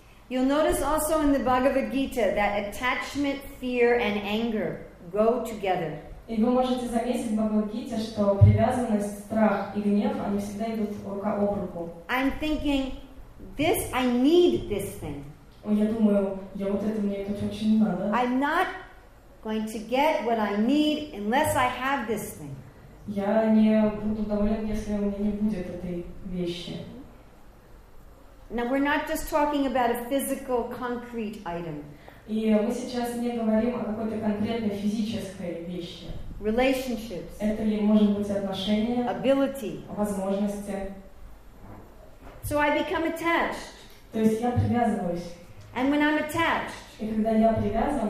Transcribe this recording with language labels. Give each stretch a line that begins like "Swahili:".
English: You'll notice also in the Bhagavad Gita that attachment, fear, and anger go together.
Russian: И вы можете заметить в Бхагавад-гите, что привязанность, страх и гнев, они всегда идут рука об руку.
English: I'm thinking, this, I need this thing.
Russian: Я думаю, я вот это мне это очень надо.
English: I'm not going to get what I need unless I have this thing.
Russian: Я не буду доволен, если у меня не будет этой вещи.
English: Now we're not just talking about a physical, concrete item.
Russian: И мы сейчас не говорим о какой-то конкретной физической вещи.
English: Relationships.
Russian: Это ли может быть отношения?
English: Ability.
Russian: Возможности.
English: So I become attached.
Russian: То есть я привязываюсь.
English: And when I'm attached,
Russian: и когда я привязан,